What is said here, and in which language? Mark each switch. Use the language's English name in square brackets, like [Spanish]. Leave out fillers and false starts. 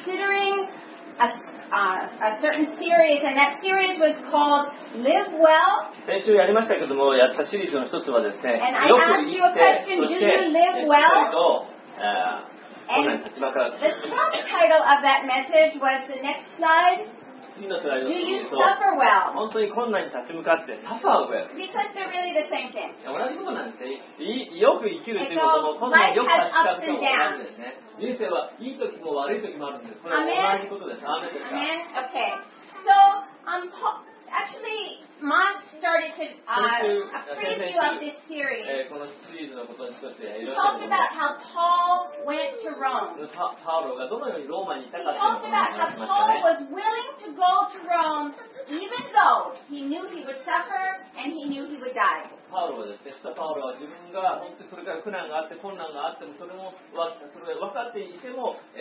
[English] Considering a certain series, and that series was called Live Well. [Japanese] 先週やりましたけども、やったシリーズの一つはですね、 [English] And I asked you a question, do you live well? And the subtitle of that message was the next slide. Do you suffer well? [Japanese] 本当に困難に立ち向かって、 [English] suffer well. Because they're really the same thing. [Japanese] 同じことなんですね。よく生きるということも、困難によく立ち向かっても同じですね。人生はいい時も悪い時もあるんです。これは同じことです。雨ですか。 [English] Amen. Okay. So, actually, Moss started to a preview of this series. [Japanese] このシリーズのことについて、 [English] He talked about how Paul went to Rome. [Japanese] パウロがどのようにローマに行ったかというのを話しましたね。 [English] He talked about how Paul was willing to go to Rome, even though he knew he would suffer and he knew he would die. [Japanese] パウロはですね、パウロは自分が本当にそれから苦難があって困難があってもそれも分かっていても、